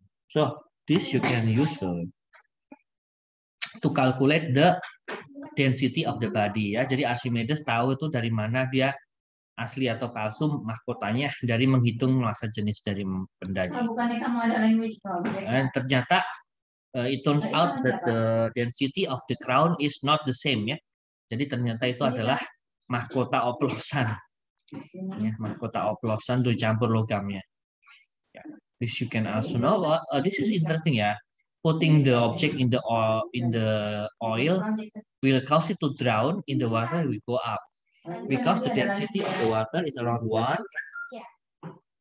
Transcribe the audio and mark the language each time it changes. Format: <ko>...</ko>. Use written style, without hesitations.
<en>So, this you can use to calculate the density of the body ya.</en> <id>Jadi Archimedes tahu itu dari mana dia asli atau palsu mahkotanya, dari menghitung massa jenis dari benda. Bukannya kamu ada</id> <en>language problem?</en> <id>Dan ternyata</id> <en>it turns out that the density of the crown is not the same ya.</en> <id>Jadi ternyata itu adalah mahkota oplosan. Ya, mahkota oplosan tuh campur logamnya.</id> <en>Ya. This you can also know. This is interesting ya. Putting the object in the oil will cause it to drown in the water we go up. Because the density of the water is around 1.</en>